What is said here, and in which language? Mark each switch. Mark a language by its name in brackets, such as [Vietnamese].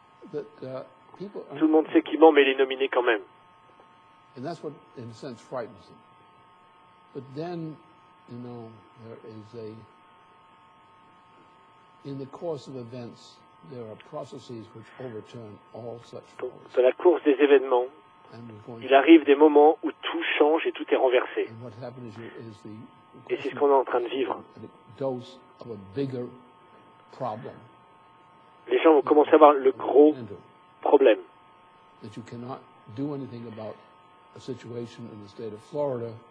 [French] Tout le monde sait qu'il ment, mais il est nominé quand même. [English] And that's what, in a sense, frightens them. But then, you know, there is a. In the course of events, there are processes which overturn all such forces. [French] Dans la course des événements, il arrive des moments où tout change et tout est renversé. [English] And what happens is the. [French] Et c'est ce qu'on est en train de vivre. [English] The dose of a bigger problem. [French] Les gens vont commencer à avoir le gros problème. [English] That you cannot do anything about. A situation in the state of Florida,